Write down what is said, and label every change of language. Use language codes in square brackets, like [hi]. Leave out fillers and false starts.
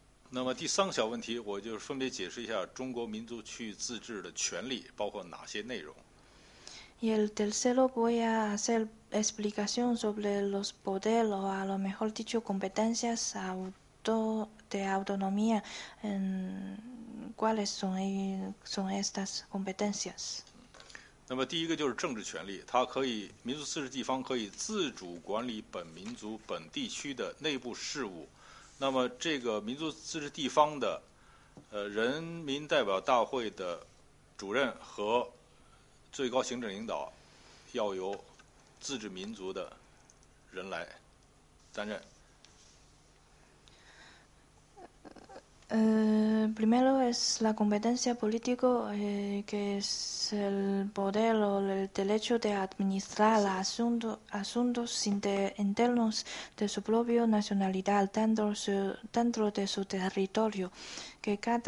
[zh] 那么第三个小问题，我就分别解释一下中国民族区域自治的权利包括哪些内容。 [es] Y el tercero voy a hacer explicación sobre los poderes o a lo mejor dicho competencias de autonomía en...¿Cuáles son estas competencias? [zh] 那么第一个就是政治权利，它可以民族自治地方可以自主管理本民族本地区的内部事务。那么这个民族自治地方的人民代表大会的主任和最高行政领导要由自治民族的人来担任。 [es] Primero es la competencia política, que es el poder o el derecho de administrar los asuntos internos de su propia nacionalidad dentro de su territorio, que